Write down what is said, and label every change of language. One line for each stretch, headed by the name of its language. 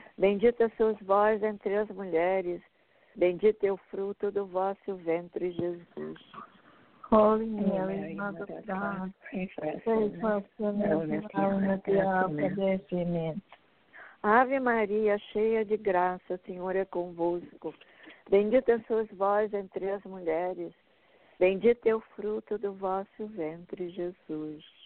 Portuguese: Bendita sois vós entre as mulheres, bendito é o fruto do vosso ventre, Jesus.
English: Holy Mary, Mother of God, pray for us sinners now and at the hour of death. Amen.
Portuguese: Ave Maria, cheia de graça, o Senhor é convosco. Bendita sois vós entre as mulheres, bendito é o fruto do vosso ventre, Jesus.